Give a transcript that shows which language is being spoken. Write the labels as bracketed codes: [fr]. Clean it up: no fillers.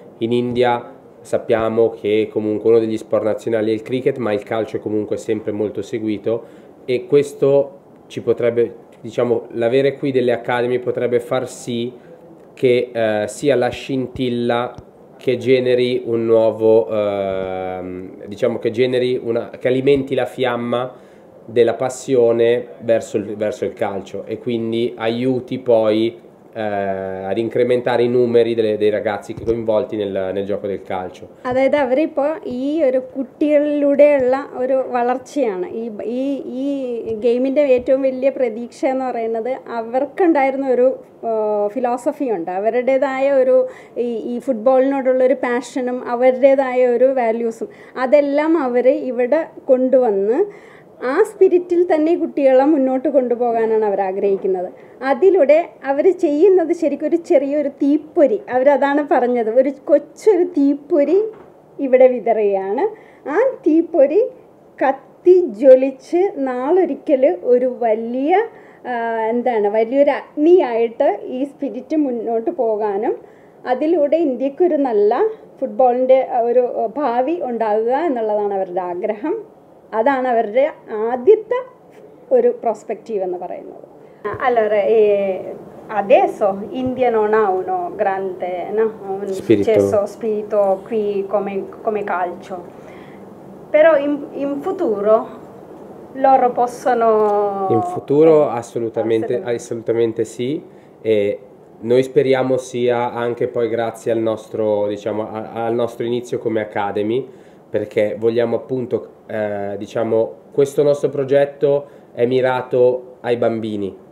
[it] In India sappiamo che comunque uno degli sport nazionali è il cricket, ma il calcio è comunque sempre molto seguito e questo ci potrebbe, diciamo, l'avere qui delle Academy potrebbe far sì che sia la scintilla che generi un nuovo, diciamo che generi una, che alimenti la fiamma della passione verso il calcio e quindi aiuti poi ad incrementare i numeri dei ragazzi coinvolti nel gioco del calcio. [ml] അതായത് അവരിപ്പോൾ ഈ ഒരു കുട്ടികളിലൂടെയുള്ള ഒരു വളർച്ചയാണ് ഈ ഗെയിമിൻ്റെ ഏറ്റവും വലിയ പ്രതീക്ഷ എന്ന് പറയുന്നത്. അവർക്കുണ്ടായിരുന്ന ഒരു ഫിലോസഫി ഉണ്ട്, അവരുടേതായ ഒരു ഈ ഫുട്ബോളിനോടുള്ള ഒരു പാഷനും അവരുടേതായ ഒരു വാല്യൂസും അതെല്ലാം അവർ ഇവിടെ കൊണ്ടുവന്ന് ആ സ്പിരിറ്റിൽ തന്നെ കുട്ടികളെ മുന്നോട്ട് കൊണ്ടുപോകാനാണ് അവർ ആഗ്രഹിക്കുന്നത്. അതിലൂടെ അവർ ചെയ്യുന്നത് ശരിക്കൊരു ചെറിയൊരു തീപ്പൊരി, അവരതാണ് പറഞ്ഞത്, ഒരു കൊച്ചൊരു തീപ്പൊരി ഇവിടെ വിതറുകയാണ്. ആ തീപ്പൊരി കത്തി ജ്വലിച്ച് നാളൊരിക്കൽ ഒരു വലിയ എന്താണ് വലിയൊരു അഗ്നിയായിട്ട് ഈ സ്പിരിറ്റ് മുന്നോട്ട് പോകാനും അതിലൂടെ ഇന്ത്യക്കൊരു നല്ല ഫുട്ബോളിൻ്റെ ഒരു ഭാവി ഉണ്ടാകുക എന്നുള്ളതാണ് അവരുടെ ആഗ്രഹം. അതാണ് അവരുടെ ആദ്യത്തെ ഒരു പ്രോസ്പെക്റ്റീവ് എന്ന് പറയുന്നത്. [it] അല്ലറെ adesso India non ha uno grande, no? Un successo spirito qui come, come calcio, però in, in futuro loro possono... In futuro assolutamente, assolutamente sì, e noi speriamo sia anche poi grazie al nostro, diciamo, al nostro inizio come Academy, perché vogliamo appunto, diciamo, questo nostro progetto è mirato ai bambini.